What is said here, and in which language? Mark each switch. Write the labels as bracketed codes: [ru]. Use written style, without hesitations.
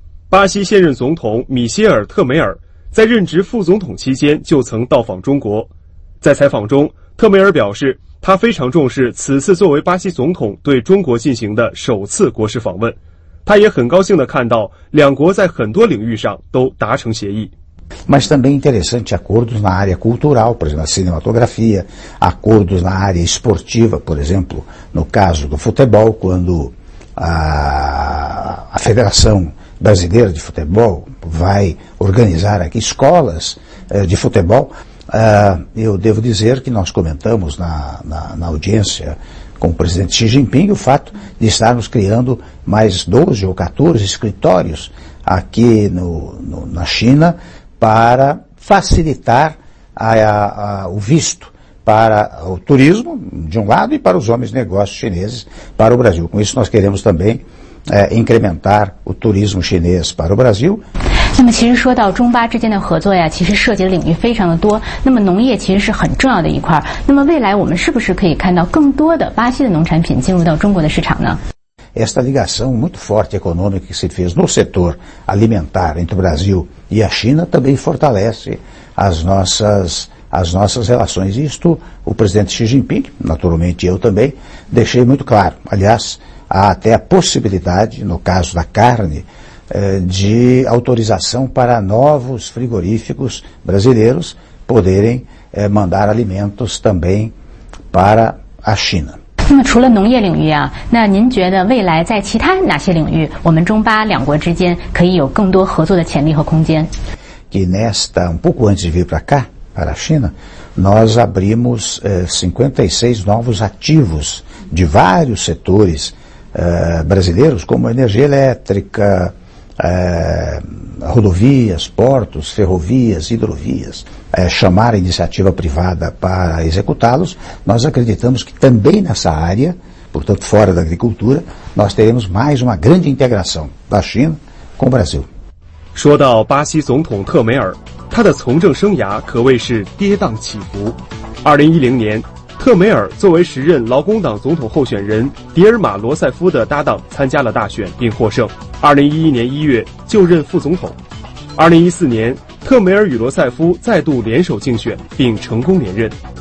[zh] 巴西现任总统米歇尔·特梅尔在任职副总统期间就曾到访中国。在采访中，特梅尔表示他非常重视此次作为巴西总统对中国进行的首次国事访问，他也很高兴地看到两国在很多领域上都达成协议。 [pt] Mas também interessante acordos na área cultural, por exemplo, a cinematografia, acordos na área esportiva, por exemplo, no caso do futebol, quando a Federação Brasileira de Futebol vai organizar aqui escolas de futebol. Eu devo dizer que nós comentamos na audiência com o presidente Xi Jinping o fato de estarmos criando mais 12 ou 14 escritórios aqui na China para facilitar o visto para o turismo, de um lado, e para os homens negócios chineses para o Brasil. Com isso, nós queremos também incrementar o turismo chinês para o Brasil. [zh] 那么其实说到中巴之间的合作呀，其实涉及的领域非常的多，那么农业其实是很重要的一块，那么未来我们是不是可以看到更多的巴西的农产品进入到中国的市场呢？ [pt] Esta ligação muito forte econômica que se fez no setor alimentar entre o Brasil e a China também fortalece as nossas relações. Isto o presidente Xi Jinping, naturalmente eu também, deixei muito claro. Aliás, há até a possibilidade, no caso da carne, de autorização para novos frigoríficos brasileiros poderem mandar alimentos também para a China. [zh] 那么除了农业领域啊，那您觉得未来在其他哪些领域，我们中巴两国之间可以有更多合作的潜力和空间？ [pt] Que nesta, um pouco antes de vir para cá, para a China, nós abrimos 56 novos ativos de vários setores brasileiros, como energia elétrica,rodovias, portos, ferrovias, hidrovias, chamar a iniciativa privada para executá-los. Nós acreditamos que também nessa área, portanto fora da agricultura, nós teremos mais uma grande integração da China com o Brasil. [zh] 说到巴西总统特梅尔，他的从政生涯可谓是跌宕起伏。 2010年，特梅尔作为时任劳工党总统候选人迪尔马·罗塞夫的搭档参加了大选并获胜。 2011年1月就任副总统。2014年，特梅尔与罗塞夫再度联手竞选并成功连任。